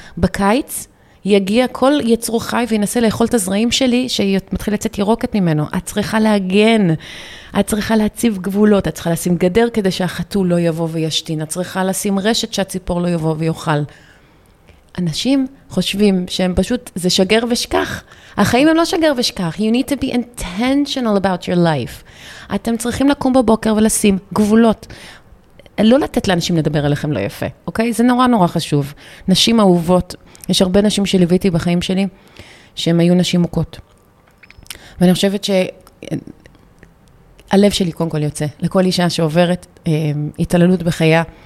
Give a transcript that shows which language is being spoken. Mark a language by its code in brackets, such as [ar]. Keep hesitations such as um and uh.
[he] בקיץ יגיע כל יצור חי וינסה לאכול את הזרעים שלי, שמתחיל לצאת ירוקת ממנו. את צריכה להגן, את צריכה להציב גבולות, את צריכה לשים גדר כדי שהחתול לא יבוא וישתין, את צריכה לשים רשת שהציפור לא יבוא ויאכל. אנשים חושבים שהם פשוט, זה שגר ושכח. החיים הם לא שגר ושכח. [en] You need to be intentional about your life. [he] אתם צריכים לקום בבוקר ולשים גבולות. לא לתת לאנשים לדבר אליכם לא יפה, אוקיי? זה נורא נורא חשוב. נשים אהובות, יש הרבה נשים שליוויתי בחיים שלי, שהן היו נשים מוכות. ואני חושבת שהלב שלי קודם כל יוצא, לכל אישה שעוברת אה, התעללות בחייה.